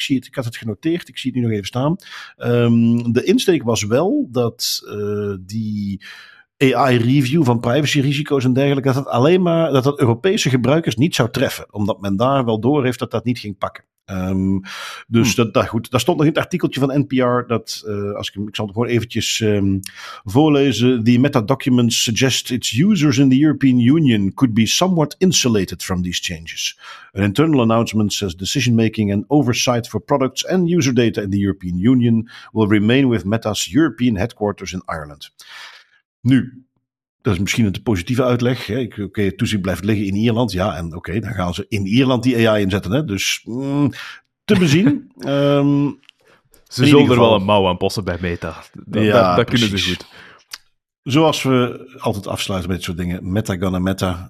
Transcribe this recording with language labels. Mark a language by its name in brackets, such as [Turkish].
[Dutch] Ik had het genoteerd, ik zie het nu nog even staan. De insteek was wel dat die AI-review van privacy-risico's en dergelijke, dat dat Europese gebruikers niet zou treffen. Omdat men daar wel door heeft dat dat niet ging pakken. Dus dat goed. Daar stond nog in het artikeltje van NPR dat, ik zal het gewoon eventjes voorlezen. [English] The Meta documents suggest its users in the European Union could be somewhat insulated from these changes. An internal announcement says decision making and oversight for products and user data in the European Union will remain with Meta's European headquarters in Ireland. [Dutch] Nu. Dat is misschien een te positieve uitleg. Oké, toezicht blijft liggen in Ierland. Ja, en oké, dan gaan ze in Ierland die AI inzetten. Hè? Dus te bezien. ze in zullen in geval... er wel een mouw aan passen bij Meta. Dat kunnen ze goed. Zoals we altijd afsluiten met dit soort dingen. [English] Meta gonna meta.